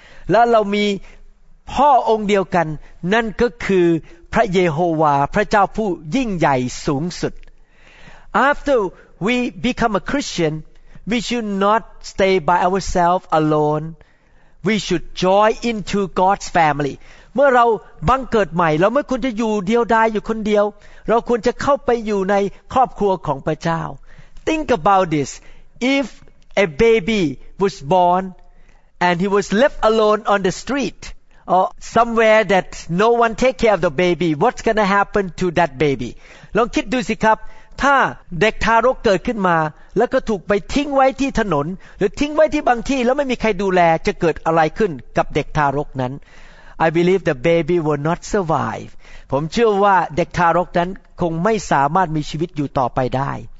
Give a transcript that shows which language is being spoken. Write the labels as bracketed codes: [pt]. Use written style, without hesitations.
[th] และเรามีพ่อองค์เดียวกันนั่นก็คือพระเยโฮวาพระเจ้าผู้ยิ่งใหญ่สูงสุด [en] After we become a Christian, we should not stay by ourselves aloneWe should join into God's family. [th] เมื่อเราบังเกิดใหม่เราไม่ควรจะอยู่เดียวดายอยู่คนเดียวเราควรจะเข้าไปอยู่ในครอบครัวของพระเจ้า [en] Think about this. If a baby was born and he was left alone on the street or somewhere that no one take care of the baby, what's going to happen to that baby? [th] ลองคิดดูสิครับถ้าเด็กทารกเกิดขึ้นมาแล้วก็ถูกไปทิ้งไว้ที่ถนนหรือทิ้งไว้ที่บางที่แล้วไม่มีใครดูแลจะเกิดอะไรขึ้นกับเด็กทารกนั้น [en] I believe the baby will not survive [th] ผมเชื่อว่าเด็กทารกนั้นคงไม่สามารถมีชีวิตอยู่ต่อไปได้